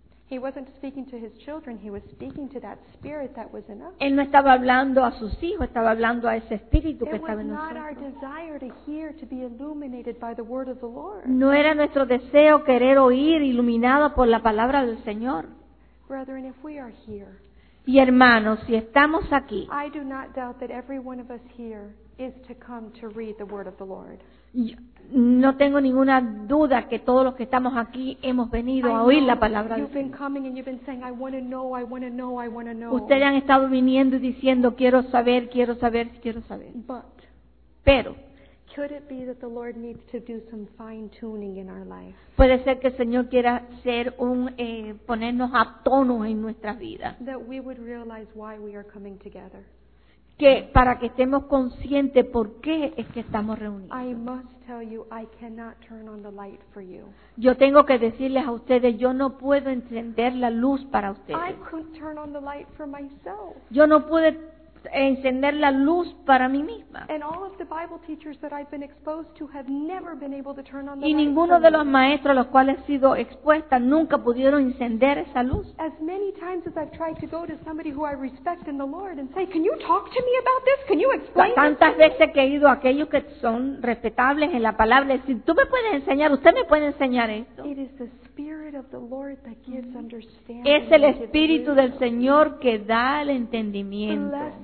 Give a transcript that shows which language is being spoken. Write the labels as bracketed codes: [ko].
[en] He wasn't speaking to his children, he was speaking to that spirit that was in us. [es] Él no estaba hablando a sus hijos, estaba hablando a ese espíritu que estaba en nosotros. [en] It was not our desire to hear, to be illuminated by the word of the Lord. [es] No era nuestro deseo querer oír iluminado por la palabra del Señor. [en] Brethren, if we are here, [es] y hermanos, si estamos aquí, [en] I do not doubt that every one of us here is to come to read the word of the Lord. [es] No tengo ninguna duda que todos los que estamos aquí hemos venido a oír la palabra del Señor. [en] Saying, I wanna know, I wanna know, I wanna know. [es] Ustedes han estado viniendo y diciendo, quiero saber, quiero saber, quiero saber. [en] But, [es] pero, [en] could it be that the Lord needs to do some fine tuning in our life? [es] Puede ser que el Señor quiera hacer un ponernos a tono en nuestras vidas. [en] That we would realize why we are coming together. [es] Que para que estemos conscientes por qué es que estamos reunidos. [en] I must tell you, I cannot turn on the light for you. [es] Yo tengo que decirles a ustedes, yo no puedo encender la luz para ustedes. [en] I couldn't turn on the light for myself. [es] Yo no pude encender la luz para mí misma. [en] And all of the Bible teachers that I've been exposed to have never been able to turn on the light. [es] Y ninguno de los maestros a los cuales he sido expuesta nunca pudieron encender esa luz. [en] As many times as I've tried to go to somebody who I respect in the Lord and say, "Can you talk to me about this? Can you explain?" [es] Tantas veces que he ido a aquellos que son respetables en la palabra, si tú me puedes enseñar, usted me puede enseñar esto. [en] It is the Spirit of the Lord that gives understanding. [es] Es el espíritu del Señor que da el entendimiento.